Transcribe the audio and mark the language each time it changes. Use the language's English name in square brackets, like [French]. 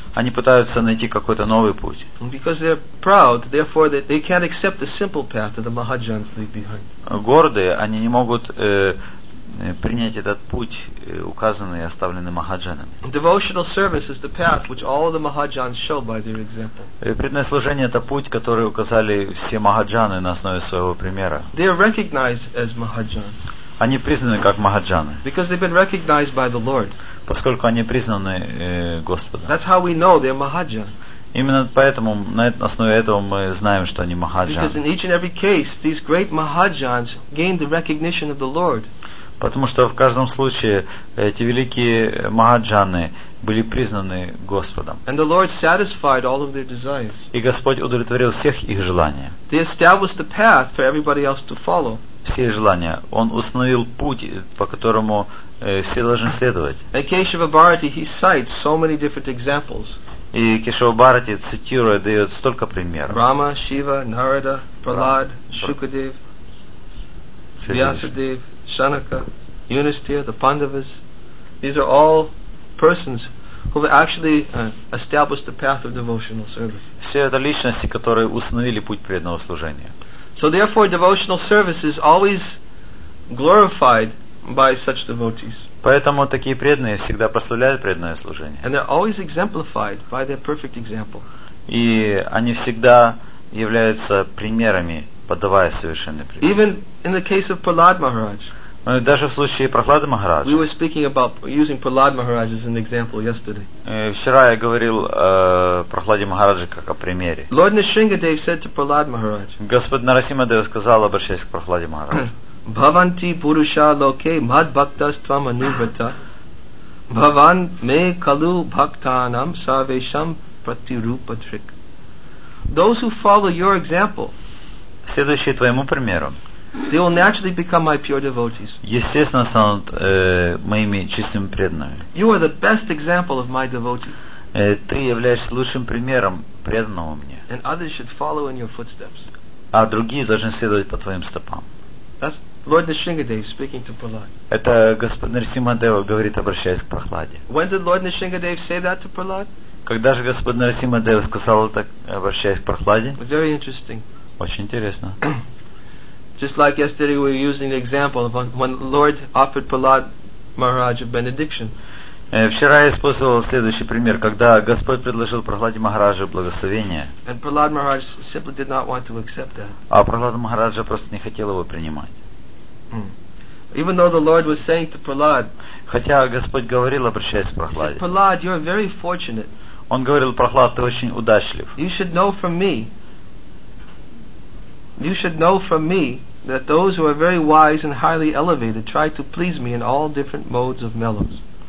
[Russian] Они пытаются найти какой-то новый путь. [English] Because they're proud, therefore they can't accept the simple path that the Mahajans leave behind. [Russian] Гордые, они не могут принять этот путь, указанный и оставленный Махаджанами. [English] Devotional service is the path which all the Mahajans show by their example. [Russian] Преданное служение – это путь, который указали все Махаджаны на основе своего примера. [English] They are recognized as Mahajans. [Russian] они признаны как Махаджаны. [English] Because they've been recognized by the Lord. [Russian] Поскольку они признаны Господом. [English] That's how we know they're Mahajan. [Russian] Именно поэтому, на основе этого мы знаем, что они Махаджаны. [English] Because in each and every case, these great Mahajans gained the recognition of the Lord. [Russian] Потому что в каждом случае эти великие Махаджаны были признаны Господом. [English] And the Lord satisfied all of their desires. [Russian] И Господь удовлетворил всех их желания. [English] They established the path for everybody else to follow. [Russian] Все желания. Он установил путь, по которому все должны следовать. [English] In Keshava Bharati, he cites so many different examples. [Russian] И Кешава Бхарати цитирует, дает столько примеров. Рама, Шива, Нарада, Пралад, Шукадев, Вьясадев, Шанака, Юнистхира, the Pandavas. [English] These are all persons who have actually established the path of devotional service. [Russian] Все это личности, которые установили путь преданного служения. [English] So therefore, devotional service is always glorified by such devotees. [Russian] Поэтому такие преданные всегда прославляют преданное служение. [English] And they're always exemplified by their perfect example. [Russian] И они всегда являются примерами, подавая совершенный пример. [English] Even in the case of Prahlad Maharaj. [Russian] Даже в случае Прохлады Махараджа. [English] We were speaking about using Prahlad Maharaj as an example yesterday. [Russian] Вчера я говорил о Прохладе Махараджа как о примере. [English] Lord Nrisimhadev said to Prahlad Maharaj. [Russian] Господь Нарасимхадев сказал, обращаясь к Прохладе Махараджу. [Sanskrit] Bhavanti purusha loke mad bhaktas tvam anuvrata. Bhavan me kalu bhaktanam sarvesham pratirupatrik. [English] Those who follow your example. [Russian] Следующие твоему примеру. [English] They will naturally become my pure devotees. [Russian] Естественно, станут моими чистыми преданными. [English] You are the best example of my devotee. [Russian] Ты являешься лучшим примером преданного мне. [English] And others should follow in your footsteps. [Russian] А другие должны следовать по твоим стопам. [English] That's Lord Nrisimhadev speaking to Prahlad. [Russian] Это Господь Нарасимхадев говорит, обращаясь к Прохладе. [English] When did Lord Nrisimhadev say that to Prahlad? [Russian] Когда же Господь Нарасимхадев сказал это, обращаясь к Прохладе? [English] Very interesting. [Russian] Очень интересно. [English] Just like yesterday, we were using the example of when Lord offered Prahlad Maharaj a benediction. [Russian] Вчера я использовал следующий пример, когда Господь предложил Прохладе Махараджу благословение. [English] And Prahlad Maharaj simply did not want to accept that. [Russian] А Прохлад Махараджа просто не хотел его принимать. [English] Even though the Lord was saying to Prahlad. [Russian] Хотя Господь говорил, обращаясь к Прохладе. [English] Prahlad, you are very fortunate. [Russian] Он говорил, Прохлад, ты очень удачлив. [English] You should know from me. You should know from me that those who are very wise and highly elevated try to please me in all different modes of mellows.